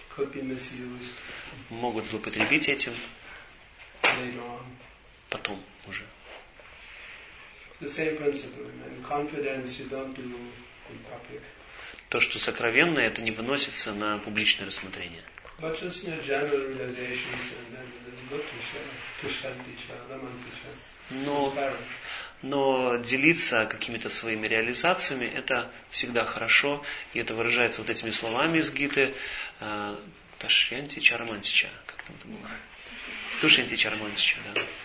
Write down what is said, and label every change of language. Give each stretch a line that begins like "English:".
English: Could be misused.
Russian: Могут злоупотребить этим.
English: Later on.
Russian: Потом уже.
English: The same principle. In confidence you don't do in public.
Russian: То, что сокровенное, это не выносится на публичное рассмотрение.
English: But just in your general realizations and then it's good to share. To share teacher, Raman teacher.
Russian: Но делиться какими-то своими реализациями – это всегда хорошо. И это выражается вот этими словами из Гиты.
Sanskrit: Ташьянтича романтича.
Russian: Как там это было?
Sanskrit: Тушьянтича романтича, да.